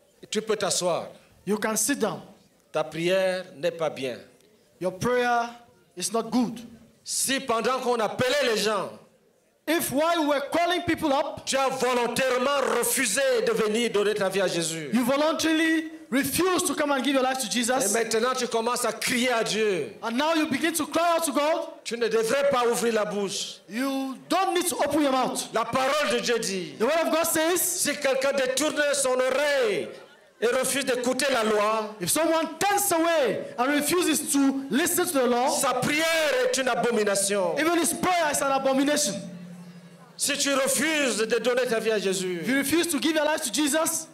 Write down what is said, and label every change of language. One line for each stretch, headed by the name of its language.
French: Tu peux t'asseoir.
English: You can sit down.
French: Ta prière n'est pas bien.
English: Your prayer is not good.
French: Si pendant qu'on appelait les gens,
English: if while we're calling people up,
French: tu as volontairement refusé de venir donner ta vie à Jésus,
English: you voluntarily refused to come and give your life to Jesus,
French: et maintenant tu commences à crier à Dieu,
English: and now you begin to cry out to God,
French: tu ne devrais pas ouvrir la bouche.
English: You don't need to open your mouth.
French: La parole de Dieu dit,
English: the word of God says,
French: si quelqu'un détourne son oreille et refuse d'écouter la loi,
English: if someone turns away and refuses to listen to the law,
French: sa prière est une abomination.
English: Even his prayer is an abomination.
French: Si tu refuses de donner ta vie à Jésus,
English: if you refuse to give your life to Jesus,